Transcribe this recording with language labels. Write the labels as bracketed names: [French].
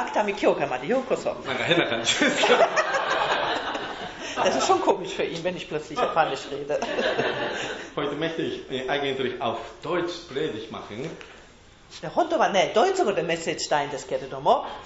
[Japanese] アクタミ教会までようこそ。なんか変な感じですけど。 [German] Das ist schon komisch für ihn, wenn ich plötzlich Japanisch rede. Heute möchte ich eigentlich auf Deutsch Predigt machen. [Japanese] 本当はね、ドイツ語でメッセージしたいんですけれども。